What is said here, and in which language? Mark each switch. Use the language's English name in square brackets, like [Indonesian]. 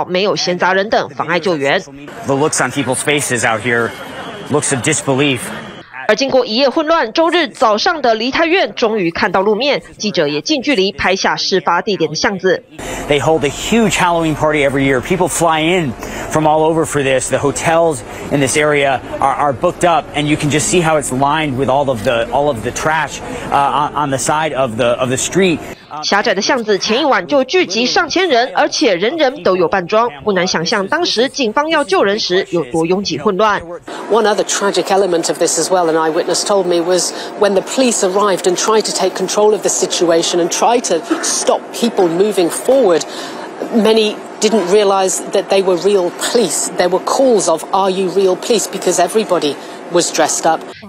[Chinese] 记者要进入现场，一度被拦下，自曝身份后才获准进入，因为政府已经下了紧急命令，确保没有闲杂人等妨碍救援。The [English] looks on people's faces out here looks of disbelief. [Chinese] 而经过一夜混乱，周日早上的梨泰院终于看到路面，记者也近距离拍下事发地点的巷子。They [English] hold a huge Halloween party every year. People fly in from all over for this. The hotels in this area are booked up, and you can just see how it's lined with all of the trash on the side of the street. [Chinese] 狭窄的巷子，前一晚就聚集上千人，而且人人都有扮装，不难想象当时警方要救人时有多拥挤混乱。One [English] other tragic element of this, as well, an eyewitness told me, was when the police arrived and tried to take control of the situation and try to stop people moving forward, many didn't realize that they were real police. There were calls of "Are you real police?" because everybody was dressed up.